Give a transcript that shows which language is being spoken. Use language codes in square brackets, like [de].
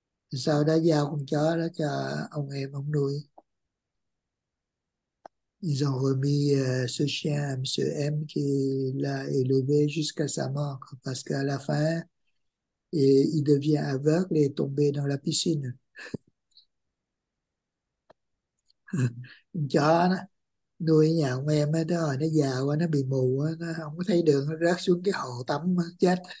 [vi] Sao đã giao con chó đó cho ông em ông nuôi. [fr] Ils ont remis ce chien à Monsieur M qui l'a élevé jusqu'à sa mort parce qu'à la fin, et il devient aveugle et tombé dans la piscine. [vi] Chó đó, nuôi ở nhà ông em ấy, đó rồi nó già quá nó bị mù quá, nó không có thấy đường nó rớt xuống cái hồ tắm chết.